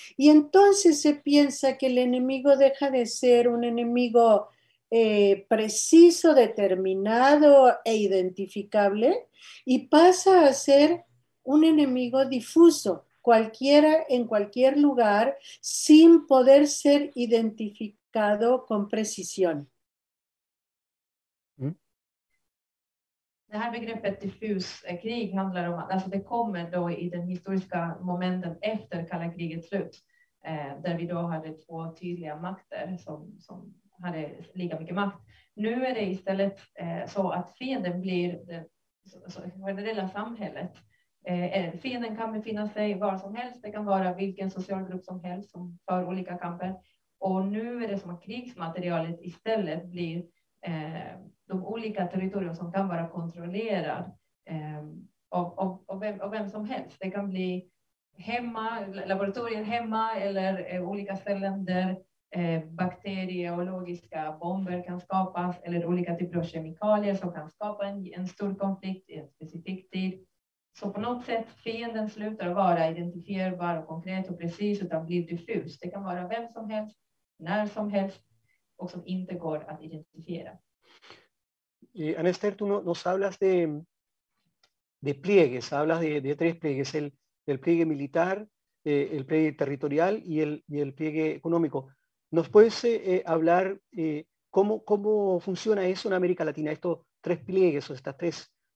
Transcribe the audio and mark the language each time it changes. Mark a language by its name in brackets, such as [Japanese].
[Spanish] Y entonces se piensa que el enemigo deja de ser un enemigo preciso, determinado e identificable y pasa a ser un enemigo difuso. Cualquiera en cualquier lugar sin poder ser identificado con precisión. [Swedish] Det här begreppet diffus krig handlar om att alltså det kommer då i den historiska momenten efter kalla krigets slut där vi då hade två tydliga makter som hade lika mycket makt. Nu är det istället så att fienden blir det generella samhället. Fienden kan befinna sig var som helst, det kan vara vilken socialgrupp som helst som för olika kamper. Och nu är det som att krigsmaterialet istället blir de olika territorier som kan vara kontrollerad av vem som helst. Det kan bli hemma, laboratorier hemma eller olika ställen där bakteriologiska bomber kan skapas eller olika typer av kemikalier som kan skapa en stor konflikt i en specifik tid. Så på något sätt fienden slutar vara identifierbar och konkret och precis utan blir diffus. Det kan vara vem som helst, när som helst och som inte går att identifiera. [Spanish] Anester, tú nos hablas de pliegues, hablas de tres pliegues, el pliegue militar, el pliegue territorial y el pliegue económico. ¿Nos puedes hablar cómo funciona eso en América Latina, estos tres pliegues o estas tres?